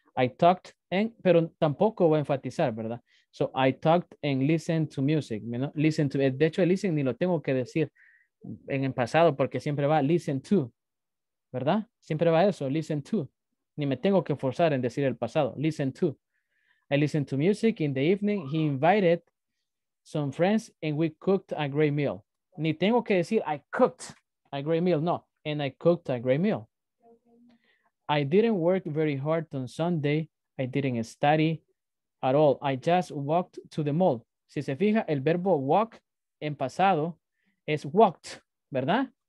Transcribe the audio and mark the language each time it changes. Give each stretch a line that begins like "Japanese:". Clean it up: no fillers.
English: I talked and,
Spanish: pero tampoco voy a enfatizar,
English: ¿verdad? So I talked and listened to music. You know?
Spanish: Listen to, de hecho, el listen ni lo tengo que decir en el pasado porque siempre va listen to, ¿verdad? Siempre va eso, listen to. Ni me tengo que forzar en decir el pasado, listen to.
English: I listened to music in the evening. He invited some friends and we cooked a great meal.
Spanish: Ni tengo que decir
English: I cooked a great meal,
Spanish: no.
English: And I cooked a great meal. I didn't work very hard on Sunday. I didn't study at all. I just walked to the mall.
Spanish: Si se fija, el verbo walk en pasado es walked, ¿verdad?